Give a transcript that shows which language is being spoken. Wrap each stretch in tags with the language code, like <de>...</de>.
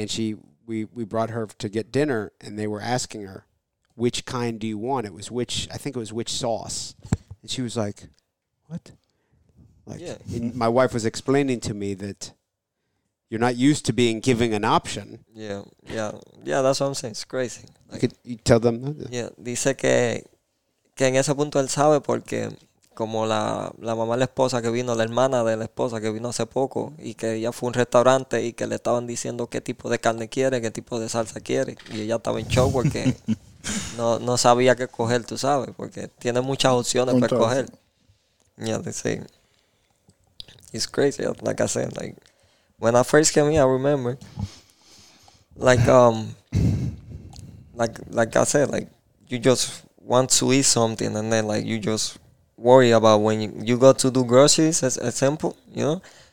<en>And we brought her to get dinner, and they were asking her, which kind do you want? It was which... I think it was which sauce. And she was like, what? Like, yeah. And my wife was explaining to me that... You're not used to being given an option. Yeah, that's what I'm saying. It's crazy. Like, you tell them that?</en> <es>Yeah, dice que en ese punto él sabe porque como la mamá de la esposa que vino, la hermana de la esposa que vino hace poco y que ella fue a un restaurante y que le estaban diciendo qué tipo de carne quiere, qué tipo de salsa quiere. Y ella estaba en shock porque no sabía qué coger, tú sabes, porque tiene muchas opciones para escoger.</es> <en>Yeah, they say, it's crazy, like I said, like, when I first came here, I remember, like I said, like, you just want to eat something, and then, like, you just worry about when you go to do groceries, as an example, you know,</en>